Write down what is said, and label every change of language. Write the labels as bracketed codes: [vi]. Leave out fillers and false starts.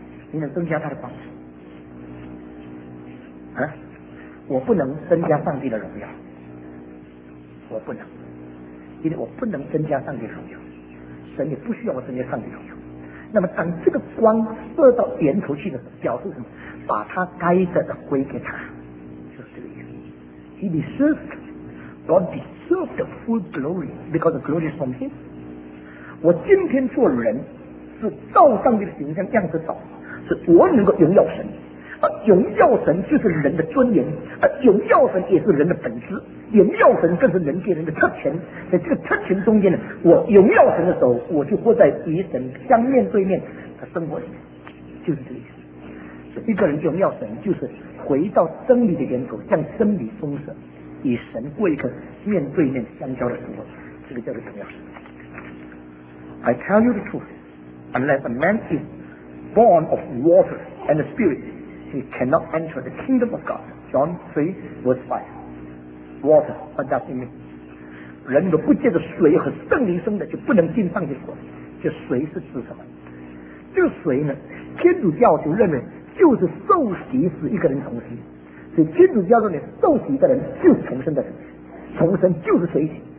[zh] 你能增加它的光啊？我不能增加上帝的荣耀，我不能，因为我不能增加上帝的荣耀，神也不需要我增加上帝的荣耀，那么当这个光射到源头去的时候，表示什么？把他该得的回给他，就是这个原因。 [en] He deserves, God deserves the full glory because the glory is from Him. [zh] 我今天做人是照上帝的形象样子找，是我能够荣耀神。荣耀神就是人的尊严，荣耀神也是人的本质，荣耀神更是人间人的特权。在这个特权中间呢，我荣耀神的时候，我就活在与神相面对面的生活里面，就是这个意思。一个人荣耀神，就是回到真理的源头，向真理忠实，与神过一个面对面相交的生活，这个叫做荣耀神。 [en] I tell you the truth, unless a man is born of water and the Spirit. He cannot enter the kingdom of God. John 3, verse 5. Water, what does it mean? [zh] 人都不借着水和圣灵生的，就不能进上帝国。这水是指什么？这个水呢，天主教就认为就是受洗使一个人重生。所以天主教认为受洗的人就是重生的人，重生就是水洗。